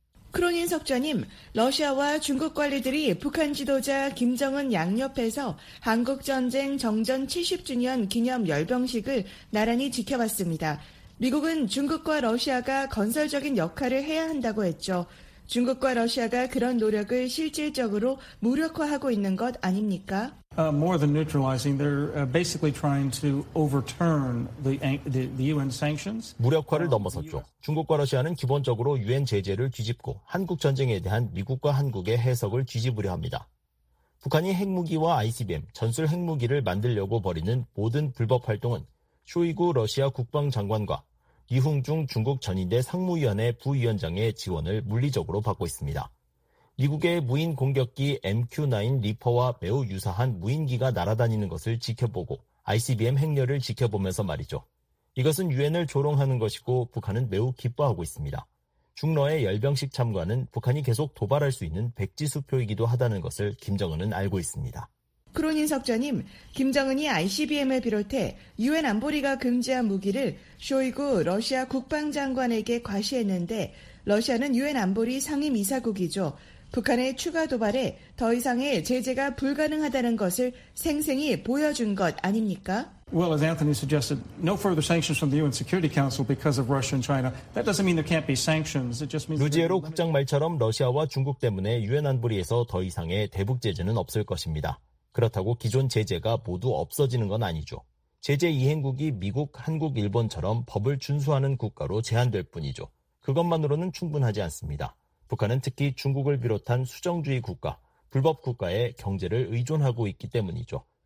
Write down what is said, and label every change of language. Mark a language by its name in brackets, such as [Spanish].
[Korean] 크로닌 석좌님, 러시아와 중국 관리들이 북한 지도자 김정은 양옆에서 한국전쟁 정전 70주년 기념 열병식을 나란히 지켜봤습니다. 미국은 중국과 러시아가 건설적인 역할을 해야 한다고 했죠. 중국과 러시아가 그런 노력을 실질적으로 무력화하고 있는 것 아닙니까? [English] More than neutralizing, they're basically trying to overturn the UN sanctions. [Korean] 무력화를 넘어섰죠. 중국과 러시아는 기본적으로 유엔 제재를 뒤집고 한국 전쟁에 대한 미국과 한국의 해석을 뒤집으려 합니다. 북한이 핵무기와 ICBM, 전술 핵무기를 만들려고 벌이는 모든 불법 활동은 쇼이구 러시아 국방장관과 이홍중 중국 전인대 상무위원회 부위원장의 지원을 물리적으로 받고 있습니다. 미국의 무인 공격기 MQ-9 리퍼와 매우 유사한 무인기가 날아다니는 것을 지켜보고 ICBM 행렬을 지켜보면서 말이죠. 이것은 유엔을 조롱하는 것이고 북한은 매우 기뻐하고 있습니다. 중러의 열병식 참관은 북한이 계속 도발할 수 있는 백지수표이기도 하다는 것을 김정은은 알고 있습니다. 크로닌 석좌님, 김정은이 ICBM을 비롯해 유엔 안보리가 금지한 무기를 쇼이구 러시아 국방장관에게 과시했는데 러시아는 유엔 안보리 상임이사국이죠. 북한의 추가 도발에 더 이상의 제재가 불가능하다는 것을 생생히 보여준 것 아닙니까? [English] Well, as Anthony suggested, no further sanctions from the UN Security Council because of Russia and China. That doesn't mean there can't be sanctions. It just means [Korean] 루지에로 국장 말처럼 러시아와 중국 때문에 유엔 안보리에서 더 이상의 대북 제재는 없을 것입니다. 그렇다고 기존 제재가 모두 없어지는 건 아니죠. 제재 이행국이 미국, 한국, 일본처럼 법을 준수하는 국가로 제한될 뿐이죠. 그것만으로는 충분하지 않습니다. 북한은 특히 중국을 비롯한 수정주의 국가, 불법 국가의 경제를 의존하고 있기 때문이죠.